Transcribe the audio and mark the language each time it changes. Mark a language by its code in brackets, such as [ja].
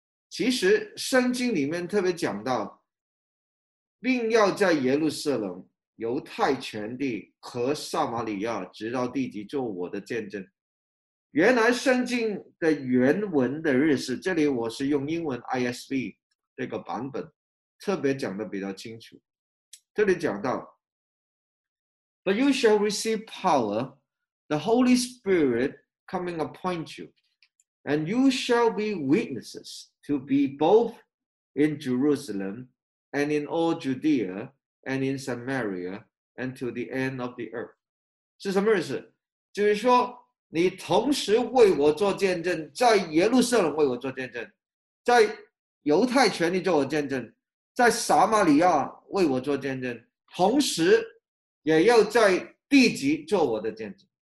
[zh] 其实圣经里面特别讲到，并要在耶路撒冷、犹太全地和撒玛利亚直到地极做我的见证。原来圣经的原文的日子，这里我是用英文 ISV 这个版本特别讲的比较清楚。这里讲到 [en] But you shall receive power, the Holy Spirit coming upon you, and you shall be witnesses to be both in Jerusalem and in all Judea and in Samaria and to the end of the earth. [zh] 是什么日子？就是说你同时为我做见证，在耶路撒冷为我做见证，在犹太全地做我见证，在撒玛利亚为我做见证，同时也要在地极做我的见证。